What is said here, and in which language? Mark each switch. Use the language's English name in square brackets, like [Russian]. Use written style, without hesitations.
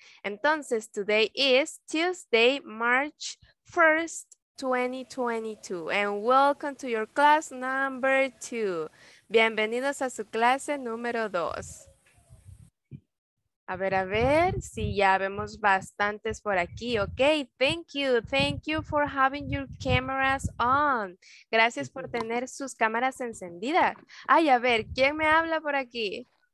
[English] Entonces, today is Tuesday, March 1st, 2022. And welcome to your class number 2. [Spanish] Bienvenidos a su clase número 2. A ver, si ya vemos bastantes por aquí. [English] Ok, thank you for having your cameras on. [Spanish] Gracias por tener sus cámaras encendidas. Ay, a ver, ¿quién me habla por aquí?